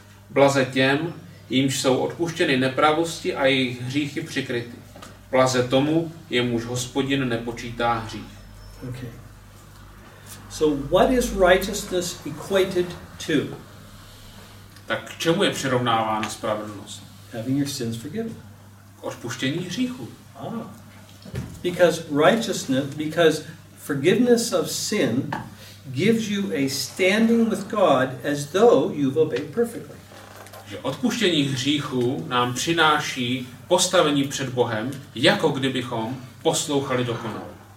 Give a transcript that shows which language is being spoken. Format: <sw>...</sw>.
<cs>Blaze těm, jimž jsou odpuštěny nepravosti a jejich hříchy přikryty. Blaze tomu, jemuž Hospodin nepočítá hřích.</cs> <en>Okay. So what is righteousness equated to?</en> <cs>Tak k čemu je přirovnávána spravedlnost?</cs> <en>Having your sins forgiven.</en> <cs>K odpuštění hříchu.</cs> <en>Because righteousness, because forgiveness of sin gives you a standing with God as though you've obeyed perfectly.</en> <cs>Že odpuštění hříchu nám přináší postavení před Bohem, jako kdybychom poslouchali dokonale.</cs>